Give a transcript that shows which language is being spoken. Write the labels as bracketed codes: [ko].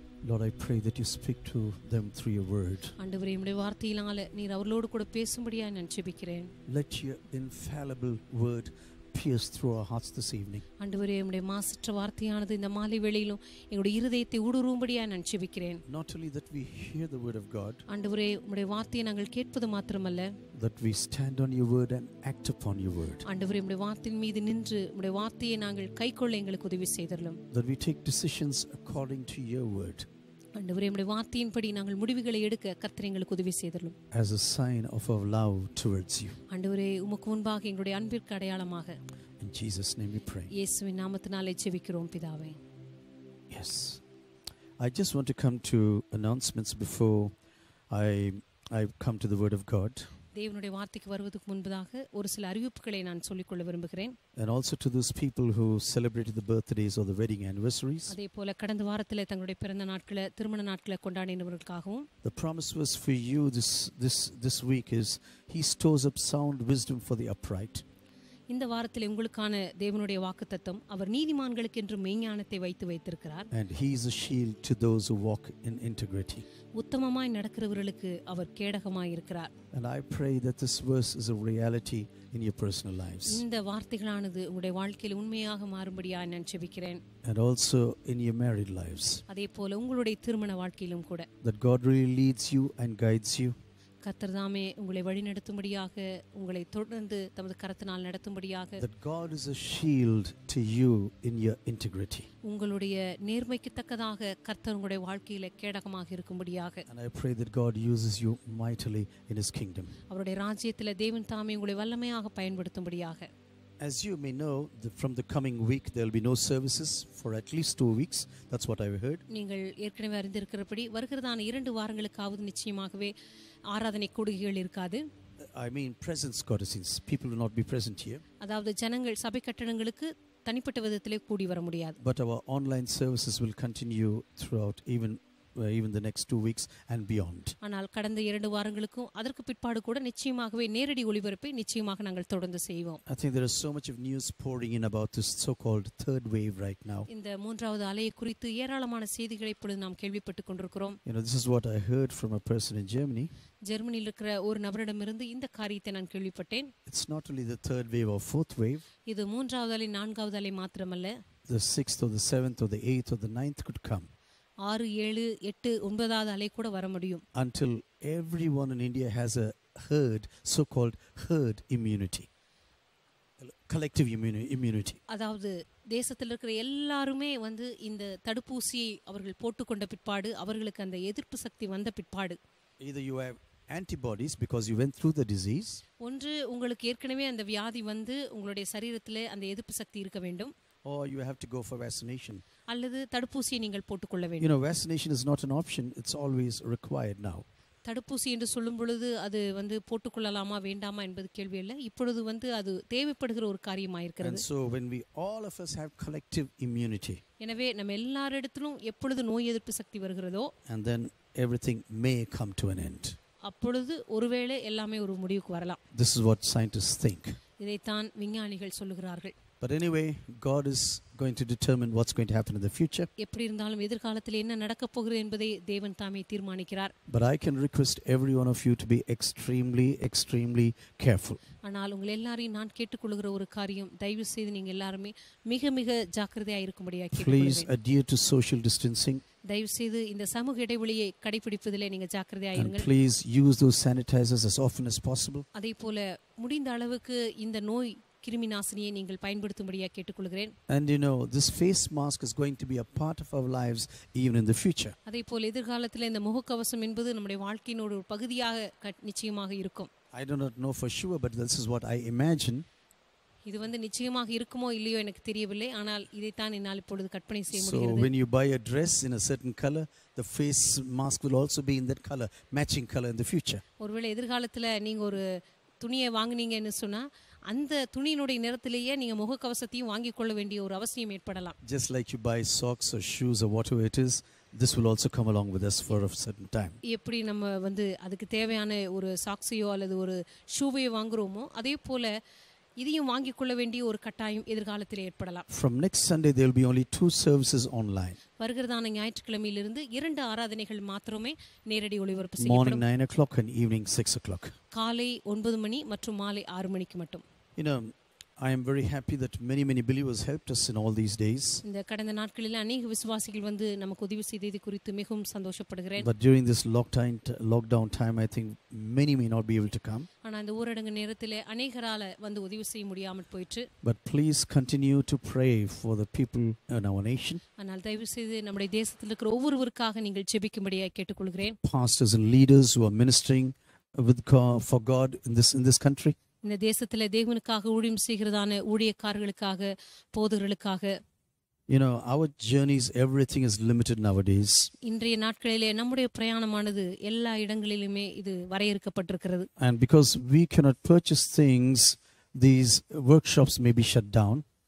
[en] Lord, I pray that you speak to them through your word. [ta] ஆண்டவரே, உம்முடைய வார்த்தையினால நீர் அவர்களோடு கூட பேசும்படியாய் நான் ஜெபிக்கிறேன். [en] Let your infallible word pierce through our hearts this evening. [ta] ஆண்டவரே, உம்முடைய மாசற்ற வார்த்தையானது இந்த மாலை வேளையிலும் எங்களுடைய இருதயத்தை ஊடுருவும்படியாய் நான் ஜெபிக்கிறேன். [en] Not only that we hear the word of God. [ta] ஆண்டவரே, உம்முடைய வார்த்தையை நாங்கள் கேட்பது மட்டுமல்ல, [en] that we stand on your word and act upon your word. [ta] ஆண்டவரே, உம்முடைய வார்த்தையின் மீது நின்று உம்முடைய வார்த்தையை நாங்கள் கைக்கொள்ள எங்களுக்கு உதவி செய்தருளும். [en] That we take decisions according to your word. [ta] ஆண்டவரே, உம்முடைய வார்த்தையின்படி நாங்கள் முடிவுகளை எடுக்க கர்த்தர் எங்களுக்கு உதவி செய்தருளும். [en] As a sign of our love towards you. [ta] ஆண்டவரே, உமக்கு முன்பாக எங்களுடைய அன்பிற்கு அடையாளமாக. [en] In Jesus name we pray. [ta] இயேசுவின் நாமத்தினாலே ஜெபிக்கிறோம் பிதாவே. [en] Yes. I just want to come to announcements before I come to the word of God. [ta] தேவனுடைய வார்த்தைக்கு வருவதற்கு முன்பதாக ஒரு சில அறிவிப்புகளை நான் சொல்லிக் கொள்ள விரும்புகிறேன். [en] And also to those people who celebrated the birthdays or the wedding anniversaries. [ta] அதே போல கடந்த வாரத்தில் தங்களுடைய பிறந்த நாட்களை திருமண நாட்களை கொண்டாடினவர்களுக்காகவும், [en] The promise was for you this week is he stores up sound wisdom for the upright. [ta] இந்த வாரத்தில் உங்களுக்கான தேவனுடைய வாக்குத்தத்தம் அவர் நீதிமான்களுக்கு என்று மெய்ஞானத்தை வைத்து வைத்திருக்கிறார். [en] And he is a shield to those who walk in integrity. [ta] உத்தமமாய் நடக்கிறவர்களுக்கு அவர் கேடகமாய் இருக்கிறார். [en] And I pray that this verse is a reality in your personal lives. [ta] இந்த வார்த்தைகளானது உங்களுடைய வாழ்க்கையில் உண்மையாக மாறும்படியாய் நான் ஜெபிக்கிறேன். [en] And also in your married lives. [ta] அதேபோல உங்களுடைய திருமண வாழ்க்கையிலும் கூட. [en] That God really leads you and guides you. [ta] கர்த்தர் தாமே உங்களை வழி நடத்தும்படியாக உங்களை தொடர்ந்து தமது கரத்தினால் நடத்தும்படியாக. [en] That God is a shield to you in your integrity. [ta] உங்களுடைய நேர்மைக்கு தக்கதாக கர்த்தர் உங்களுடைய வாழ்க்கையில கேடகமாக இருக்கும்படியாக. [en] And I pray that God uses you mightily in his kingdom. [ta] அவருடைய ராஜ்யத்தில் தேவன் தாமே உங்களை வல்லமையாக பயன்படுத்தும்படியாக. [en] As you may know, from the coming week there will be no services for at least 2 weeks. That's what I've heard. [ta] நீங்கள் ஏற்கனவே அறிந்திருக்கிறபடி வருகிறதான 2 வாரங்களுக்காவது நிச்சயமாகவே ஆராதனை கூடுகைகள் இருக்காது. [en] I mean presence courtesies, people will not be present here. [ta] அதாவது ஜனங்கள் சபை கட்டடங்களுக்கு தனிப்பட்ட விதத்திலே கூடி வர முடியாது. [en] But our online services will continue throughout even the next 2 weeks and beyond. [ta] ஆனால் கடந்த 2 வாரங்களுக்கும் அதற்கு பிற்பாடு கூட நிச்சயமாகவே நேரடி ஒளிபரப்பை நிச்சயமாக நாங்கள் தொடர்ந்து செய்வோம். [en] I think there is so much of news pouring in about this so-called third wave right now. [ta] இந்த 3rd அலை குறித்து ஏராளமான செய்திகளை இப்பொழுது நாம் கேள்விப்பட்டுக் கொண்டிருக்கிறோம். [en] You know, this is what I heard from a person in Germany. [ta] ஜெர்மனியில் இருக்கிற ஒரு நபரிடமிருந்து இந்த காரியத்தை நான் கேள்விப்பட்டேன். [en] It's not only the third wave or fourth wave. [ta] இது 3rd அலை 4th அலை மட்டுமல்ல. [en] The 6th or the 7th or the 8th or the 9th could come. [ta] 6, 7, 8, 9 அலை கூட வர முடியும். [en] Until everyone in India has a herd, so-called herd immunity. Collective immunity. [ta] அதாவது தேசத்தில் இருக்கிற எல்லாருமே வந்து இந்த தடுப்பூசியை அவர்கள் போட்டுக்கொண்ட பிற்பாடு அவர்களுக்கு அந்த எதிர்ப்பு சக்தி வந்த பிற்பாடு. [en] Either you have antibodies because you went through the disease. [ta] ஒன்று உங்களுக்கு ஏற்கனவே அந்த வியாதி வந்து உங்களுடைய சரீரத்தில் அந்த எதிர்ப்பு சக்தி இருக்க வேண்டும். [en] or you have to go for vaccination. [ta] அல்லது தடுப்பூசியை நீங்கள் போட்டுக்கொள்ள வேண்டும். [en] You know, vaccination is not an option, it's always required now. [ta] தடுப்பூசி என்று சொல்லும் பொழுது அது வந்து போட்டுக்கொள்ளலாமா வேண்டாமா என்பது கேள்வி இல்லை. இப்பொழுது வந்து அது தேவைப்படுகிற ஒரு காரியமாயிருக்கிறது. [en] And so when we all of us have collective immunity. [ta] எனவே நம்ம எல்லாரிடத்திலும் எப்பொழுது நோய் எதிர்ப்பு சக்தி வருகிறதோ [en] And then everything may come to an end. [ta] அப்பொழுது ஒருவேளை எல்லாமே ஒரு முடிவுக்கு வரலாம். [en] This is what scientists think. [ta] இதைத்தான் விஞ்ஞானிகள் சொல்கிறார்கள். [en] But anyway, God is going to determine what's going to happen in the future. [ta] எப்படி இருந்தாலும் எதிர்காலத்தில் என்ன நடக்க போகிறது என்பதை தேவன் தாமே தீர்மானிக்கிறார். [en] But I can request every one of you to be extremely, extremely careful. [ta] ஆனால் உங்கள் எல்லாரையும் நான் கேட்டுக்கொள்கிற ஒரு காரியம், தயவு செய்து நீங்க எல்லாருமே மிக மிக ஜாக்கிரதையா இருக்கும்படியா கேட்டுக்கொள்கிறேன். [en] Please adhere to social distancing. [ta] தயவு செய்து இந்த சமூக இடைவெளியை கடைபிடிப்பதிலே நீங்க ஜாக்கிரதையா இருங்க. [en] Please use those sanitizers as often as possible. [ta] அதே போல முடிந்த அளவுக்கு இந்த நோய் கிருமிநாசினியை நீங்கள் பயன்படுத்தும்படியா கேட்டுக்கொள்கிறேன். [en] And you know this face mask is going to be a part of our lives even in the future. [ta] அதே போல எதிர்காலத்தில் இந்த முகக்கவசம் என்பது நம்முடைய வாழ்க்கையின் ஒரு பகுதியாக நிச்சயமாக இருக்கும். [en] I do not know for sure but this is what I imagine. [ta] இது வந்து நிச்சயமாக இருக்குமோ இல்லையோ எனக்கு தெரியவில்லை, ஆனால் இதை தான் என்னால் இப்பொழுது கற்பனை செய்ய முடிகிறது. [en] So when you buy a dress in a certain color the face mask will also be in that color matching color in the future. [ta] ஒருவேளை எதிர்காலத்தில் நீங்க ஒரு துணியை வாங்குனீங்கன்னு சொன்னா அந்த துணியினுடைய நிறத்திலேயே நீங்க முகக்கவசத்தையும் வாங்கிக் கொள்ள வேண்டிய ஒரு அவசியம் ஏற்படலாம். [en] Just like you buy socks or shoes or whatever it is, this will also come along with us for a certain time. [ta] எப்படி நம்ம வந்து அதுக்கு தேவையான ஒரு சாக்ஸையோ அல்லது ஒரு ஷூவையோ வாங்குறோமோ அதே போல இதையும் வாங்கிக் கொள்ள வேண்டிய ஒரு கட்டாயம் எதிர்காலத்தில் ஏற்படலாம். [en] From next Sunday there will be only 2 services online. [ta] வருகிறதான ஞாயிற்றுக்கிழமையிலிருந்து 2 ஆராதனைகள் மட்டுமே நேரடி ஒளிபரப்பு செய்யப்படும். [en] Morning 9 o'clock and evening 6 o'clock. [ta] காலை 9 மணி மற்றும் மாலை 6 மணிக்கு மட்டும். [en] You know, I am very happy that many many believers helped us in all these days. [ta] இந்த கடந்த நாட்களில் அநேக விசுவாசிகள் வந்து நமக்கு உதவி செய்தது குறித்து மிகவும் சந்தோஷப்படுகிறேன். [en] But during this lockdown time I think many may not be able to come. [ta] ஆனா இந்த ஊரடங்கு நேரத்தில் அநேகரால வந்து உதவி செய்ய முடியாமல் போயிற்று. [en] But please continue to pray for the people in our nation. [ta] ஆனால் தயவு செய்து நம்முடைய தேசத்தில் இருக்கிற ஒவ்வொருவருக்காக நீங்கள் ஜெபிக்கும்படியாக கேட்டுக்கொள்கிறேன். [en] Pastors and leaders who are ministering for God in this country. [ta] இந்த தேசத்திலே தேவனுக்காக ஊழியம் செய்கிறதான ஊழியக்காரர்களுக்காக போதகர்களுக்காக [en] You know our journeys everything is limited nowadays. [ta] இன்றைய நாட்களிலே நம்முடைய பிரயாணமானது எல்லா இடங்களிலுமே இது வரையறுக்கப்பட்டிருக்கிறது. [en] And because we cannot purchase things these workshops may be shut down.